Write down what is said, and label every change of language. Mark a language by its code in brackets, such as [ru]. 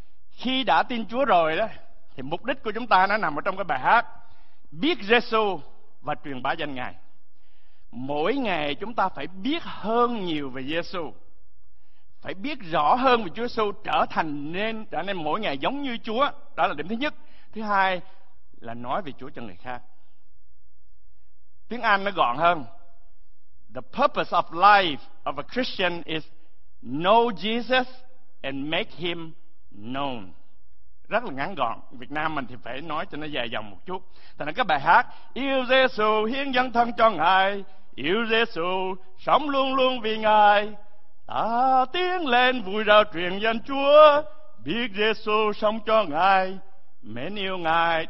[vi] Khi đã tin Chúa rồi đó thì mục đích của chúng ta nó nằm ở trong cái bài hát biết Jesus và truyền bá danh Ngài. Mỗi ngày chúng ta phải biết hơn nhiều về Jesus, phải biết rõ hơn về Chúa Giêsu, trở nên mỗi ngày giống như Chúa. Đó là điểm thứ nhất. Thứ hai là nói về Chúa cho người khác. Tiếng Anh nó gọn hơn. [en] The purpose of life of a Christian is know Jesus and make him known. [vi] Rất là ngắn gọn. Việt Nam mình thì phải nói cho nó dài dòng một chút. Thì là cái bài hát yêu Giêsu hiến dâng thân cho Ngài, yêu Giêsu sống luôn luôn vì Ngài. Ta tiến lên vui rao truyền danh Chúa, biết Giêsu sống cho Ngài, mến yêu Ngài.